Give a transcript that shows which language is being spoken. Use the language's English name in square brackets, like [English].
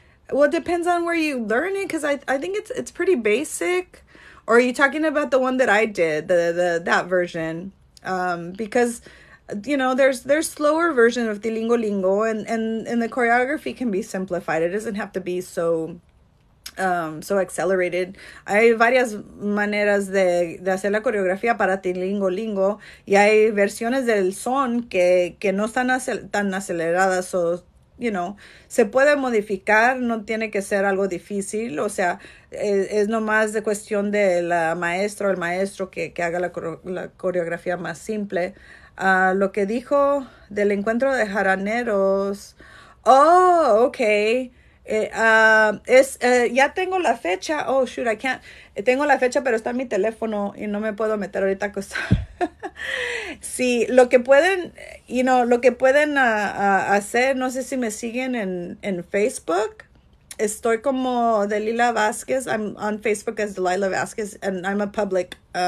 [English] Well, it depends on where you learn it, because I think it's pretty basic. Or are you talking about the one that I did, the that version? Because there's slower version of tilingolingo, and the choreography can be simplified. It doesn't have to be so accelerated. [Spanish] Hay varias maneras de hacer la coreografía para tilingolingo, y hay versiones del son que no están tan aceleradas, o se puede modificar, no tiene que ser algo difícil. O sea, es nomás de cuestión de la maestra o el maestro que haga la coreografía más simple. Lo que dijo del encuentro de jaraneros. [English] Oh, okay. [Spanish] Ya tengo la fecha. [English] Oh, shoot, I can't. [Spanish] Tengo la fecha, pero está en mi teléfono y no me puedo meter ahorita a cosa. Sí, lo que pueden, lo que pueden hacer, no sé si me siguen en Facebook. Estoy como Delila Vázquez. [English] I'm on Facebook as Delila Vázquez, and I'm a public.